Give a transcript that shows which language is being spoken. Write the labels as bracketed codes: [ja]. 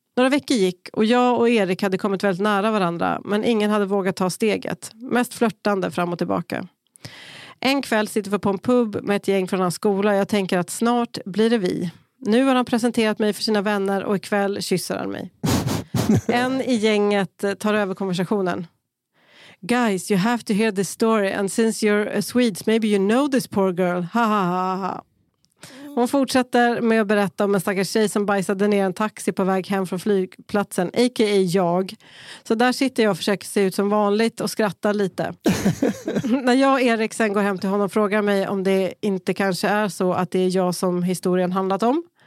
[sv] Några veckor gick och jag och Erik hade kommit väldigt nära varandra, men ingen hade vågat ta steget. Mest flörtande fram och tillbaka. En kväll sitter vi på en pub med ett gäng från hans skola. Jag tänker att snart blir det vi. Nu har han presenterat mig för sina vänner och ikväll kysser han mig. En i gänget tar över konversationen. [en] Guys, you have to hear this story, and since you're a Swedes, maybe you know this poor girl. Ha ha ha ha. [sv] Hon fortsätter med att berätta om en stackars tjej som bajsade ner en taxi på väg hem från flygplatsen, a.k.a. jag. Så där sitter jag och försöker se ut som vanligt och skratta lite. När jag och Erik sen går hem till honom och frågar mig om det inte kanske är så att det är jag som historien handlat om.